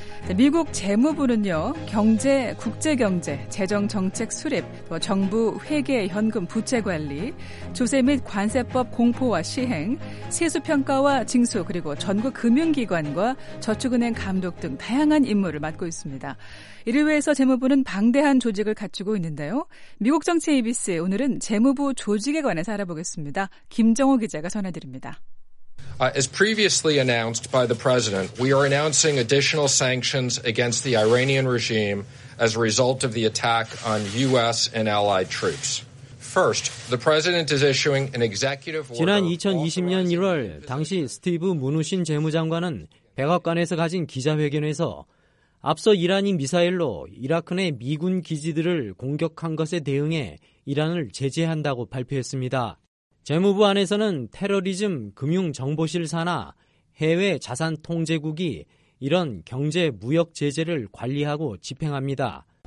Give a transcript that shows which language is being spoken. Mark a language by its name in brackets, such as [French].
[Korean] 네, 미국 재무부는요, 경제, 국제경제, 재정정책 수립, 또 정부 회계, 현금 부채 관리, 조세 및 관세법 공포와 시행, 세수평가와 징수, 그리고 전국 금융기관과 저축은행 감독 등 다양한 임무를 맡고 있습니다. 이를 위해서 재무부는 방대한 조직을 갖추고 있는데요. 미국 정치 ABC 오늘은 재무부 조직에 관해서 알아보겠습니다. 김정호 기자가 전해드립니다. [English] As previously announced by the president, we are announcing additional sanctions against the Iranian regime as a result of the attack on U.S. and allied troops. First, the president is issuing an executive order. [Korean] 지난 2020년 1월 당시 스티브 무누신 재무장관은 백악관에서 가진 기자회견에서 앞서 이란이 미사일로 이라크 내 미군 기지들을 공격한 것에 대응해 이란을 제재한다고 발표했습니다. 재무부 안에서는 테러리즘 금융정보실 산하 해외 자산 통제국이 이런 경제 무역 제재를 관리하고 집행합니다.